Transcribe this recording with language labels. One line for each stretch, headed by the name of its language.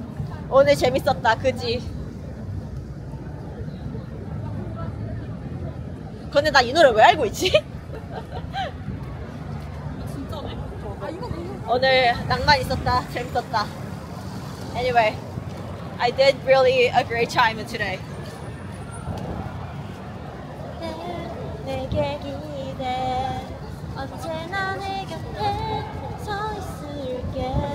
Korean: 오늘 재밌었다 그지? 근데 나 이 노래 왜 알고 있지? 진짜네. 아, 이거 오늘 낭만 있었다. 재밌었다.
English: Anyway, I did really a great time today.
Korean: 내게 기대 언제나 내 곁에 서 있을게.